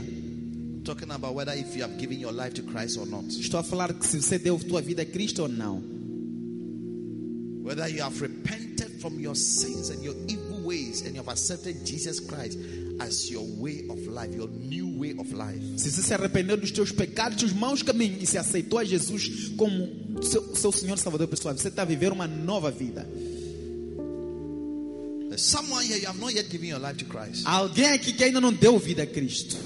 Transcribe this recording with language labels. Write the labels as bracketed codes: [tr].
[en] I'm talking about whether if you have given your life to Christ or not. [pt] Estou a falar se você deu tua vida a Cristo ou não. [en] Whether you have repented from your sins and your evil ways and you have accepted Jesus Christ as your way of life, your new way of life. [pt] Se você se arrependeu dos teus pecados, dos maus caminhos e se aceitou a Jesus como seu Senhor Salvador pessoal, você está a viver uma nova vida. [en] Someone here, you have not yet given your life to Christ. [pt] Alguém aqui que ainda não deu vida a Cristo.